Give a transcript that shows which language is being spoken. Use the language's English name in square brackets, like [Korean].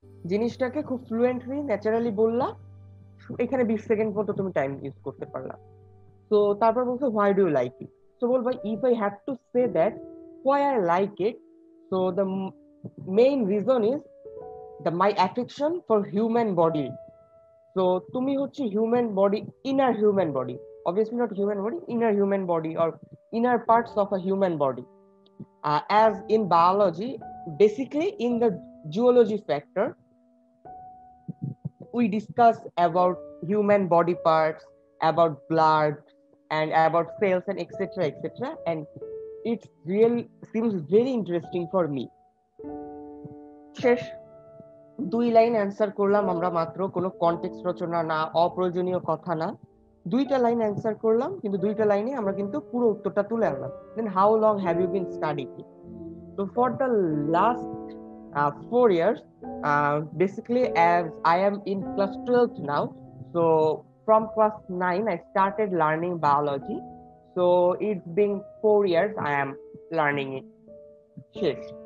[Bangla] জিনিসটাকে খুব fluently naturally বললা, এখানে 20 সেকেন্ড পর্যন্ত তুমি টাইম ইউজ করতে পারলা। তো তারপর বলছো [English] why do you like it, [Bangla] তো বলবো [English] If I have to say that why I like it, so the main reason is the my affection for human body. So [Bangla] tumi hocche [English] human body, inner human body, obviously not human body, inner human body or inner parts of a human body, as in biology, basically in the zoology factor we discuss about human body parts, about blood and about cells and etc. And it really seems very interesting for me. [Bangla] শেষ দুই line answer করলাম আমরা মাত্র, কোনো context রচনা না, অপ্রয়োজনীয় কথা না, দুইটা লাইন অ্যান্সার করলাম, কিন্তু দুইটা লাইনে আমরা কিন্তু পুরো উত্তরটা তুলে আনলাম। [English] Then how long have you been studying? তো for the last four years basically as I am in class twelve now, so from class nine I started learning biology, so it's been four years I am learning it. [Bangla] শেষ।